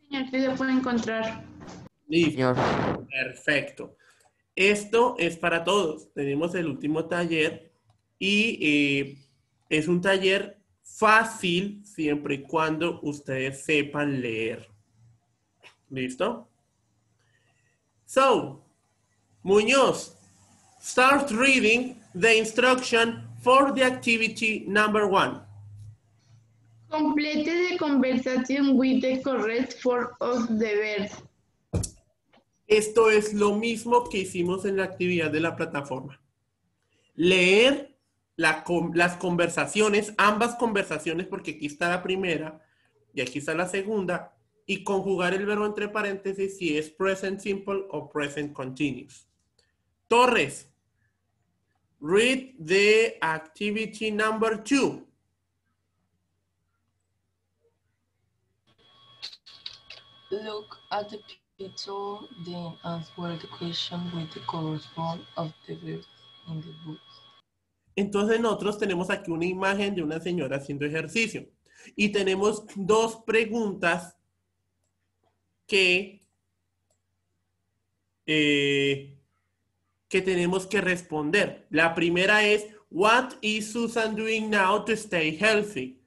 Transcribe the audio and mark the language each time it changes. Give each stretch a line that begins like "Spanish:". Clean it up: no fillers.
Spanish: Sí, señor, sí lo puedo encontrar. Listo. Perfecto. Esto es para todos. Tenemos el último taller y es un taller fácil siempre y cuando ustedes sepan leer. ¿Listo?
English: So, Muñoz, start reading the instruction for the activity number one. Complete the conversation with the correct form of the verb.
Spanish: Esto es lo mismo que hicimos en la actividad de la plataforma. Leer las conversaciones, ambas conversaciones, porque aquí está la primera y aquí está la segunda, y conjugar el verbo entre paréntesis si es present simple o present continuous.
English: Torres, read the activity number two. Look at the picture, then answer the question with the correspond of the verb in the book.
Spanish: Entonces nosotros tenemos aquí una imagen de una señora haciendo ejercicio y tenemos dos preguntas que tenemos que responder. La primera es,
English: what is Susan doing now to stay healthy?